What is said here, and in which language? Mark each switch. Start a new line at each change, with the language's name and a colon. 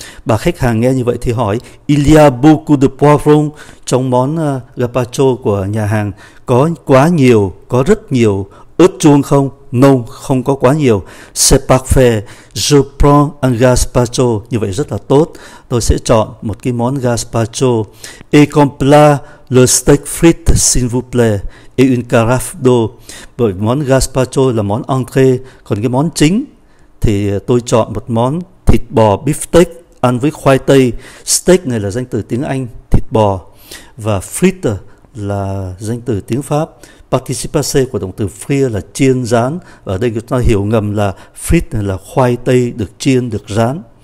Vietnamese: Bà khách hàng nghe như vậy thì hỏi,
French: il y a beaucoup de poivron,
Vietnamese: trong món gazpacho của nhà hàng có quá nhiều, có rất nhiều ớt chuông không? Non, không có quá nhiều.
French: C'est parfait. Je prends un gazpacho.
Vietnamese: Như vậy rất là tốt. Tôi sẽ chọn một cái món gazpacho.
French: Et comme plat, le steak frites, s'il vous plaît. Et une carafe d'eau.
Vietnamese: Bởi món gazpacho là món entrée. Còn cái món chính thì tôi chọn một món thịt bò beefsteak ăn với khoai tây. Steak này là danh từ tiếng Anh, thịt bò. Và frites là danh từ tiếng Pháp. Participe của động từ frire là chiên rán. Ở đây chúng ta hiểu ngầm là frites là khoai tây được chiên, được rán.